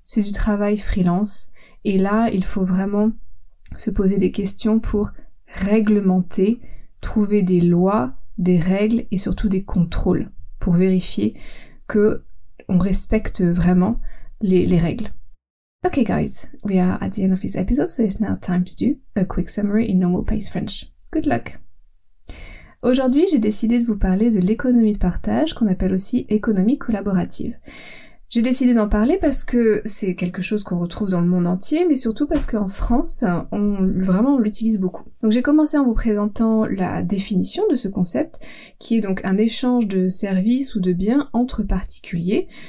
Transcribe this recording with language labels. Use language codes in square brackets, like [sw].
[fr] C'est du travail freelance. Et là, il faut vraiment se poser des questions pour réglementer, trouver des lois, des règles et surtout des contrôles pour vérifier que on respecte vraiment les règles. [en] Okay guys, we are at the end of this episode, so it's now time to do a quick summary in normal pace French. Good luck! [fr] Aujourd'hui, j'ai décidé de vous parler de l'économie de partage, qu'on appelle aussi économie collaborative. J'ai décidé d'en parler parce que c'est quelque chose qu'on retrouve dans le monde entier, mais surtout parce qu'en France, on l'utilise beaucoup. Donc j'ai commencé en vous présentant la définition de ce concept, qui est donc un échange de services ou de biens entre particuliers.